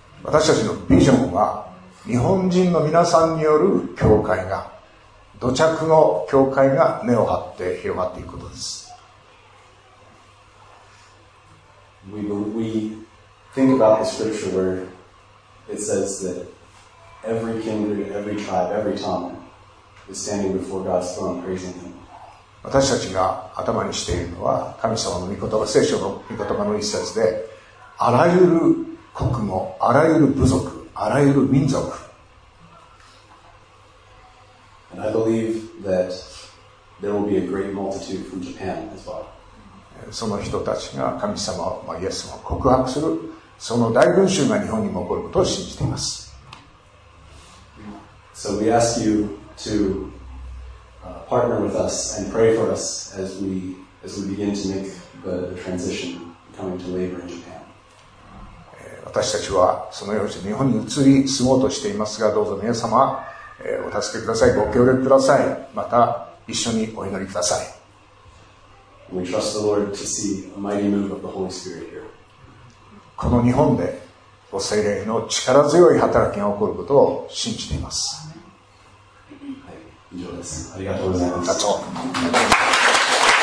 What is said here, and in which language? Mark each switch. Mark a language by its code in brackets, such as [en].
[ja] 私たちのビジョンは、日本人の皆さんによる教会が、土着の教会が根を張って広がっていくことです。 [en] We think about the scripture where it says that every kindred, every tribe, every tongue is standing before God's throne praising Him. [ja] 私たちが頭にしているのは神様の御言葉、聖書の御言葉の一節で、あらゆる国も、あらゆる部族、あらゆる民族。 [en] And I believe that There will be a great multitude from Japan as well. [ja] その人たちが神様、まあ、イエス様を告白するその大群衆が日本にも起こることを信じています。 [en] So we ask you to partner with us and pray for us as we, begin to make the transition coming to labor in Japan. [ja] 私たちはそのように日本に移り住もうとしていますが、どうぞ皆様、お助けください、ご協力ください、また一緒にお祈りください。 [en] We trust the Lord to see a mighty move of the Holy Spirit here. [ja] この日本で御聖霊の力強い働きが起こることを信じています。はい、以上です。ありがとうございます。